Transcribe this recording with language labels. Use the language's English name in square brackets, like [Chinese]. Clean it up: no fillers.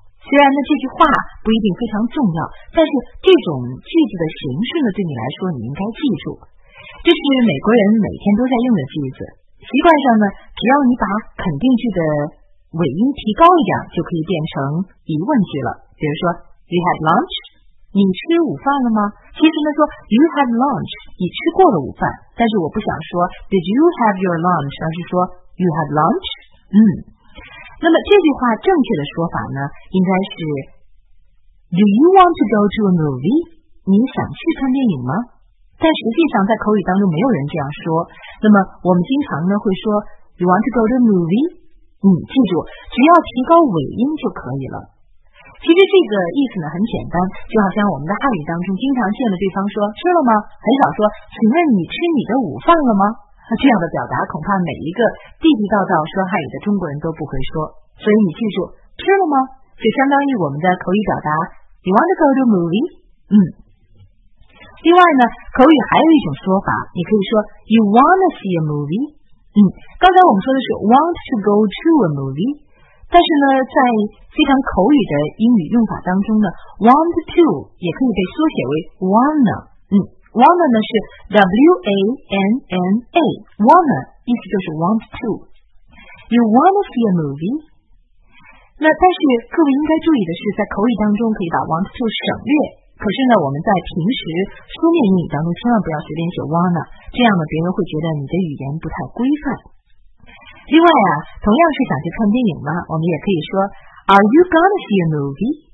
[Chinese] 虽然呢，这句话不一定非常重要，但是这种句子的形式呢，对你来说你应该记住。这是美国人每天都在用的句子，习惯上呢，只要你把肯定句的尾音提高一点，就可以变成疑问句了。 [English] 比如说 ，You had lunch。 [Chinese] 你吃午饭了吗？其实呢说 [English] You had lunch， [Chinese] 你吃过了午饭，但是我不想说 [English] Did you have your lunch， [Chinese] 而是说 [English] You had lunch。 [Chinese] 那么这句话正确的说法呢，应该是 [English] Do you want to go to a movie？ [Chinese] 你想去看电影吗？但实际上在口语当中没有人这样说，那么我们经常呢会说 [English] You want to go to a movie？ [Chinese] 记住，只要提高尾音就可以了。其实这个意思呢很简单，就好像我们的汉语当中经常见了对方说吃了吗，很少说请问你吃你的午饭了吗，这样的表达恐怕每一个地地道道说汉语的中国人都不会说。所以你记住吃了吗，就相当于我们的口语表达 [English] You want to go to a movie？ [Chinese] 另外呢，口语还有一种说法，你可以说 [English] You want to see a movie？ [Chinese] 刚才我们说的是 want to go to a movie，但是呢在非常口语的英语用法当中呢 want to 也可以被缩写为 wanna。 wanna 呢是 w-a-n-n-a， wanna 意思就是 want to。 [English] You wanna see a movie？ [Chinese] 那但是各位应该注意的是，在口语当中可以把 want to 省略，可是呢我们在平时书面英语当中千万不要随便写 wanna， 这样呢别人会觉得你的语言不太规范。另外啊，同样是想去看电影吗，我们也可以说 [English] Are you gonna see a movie？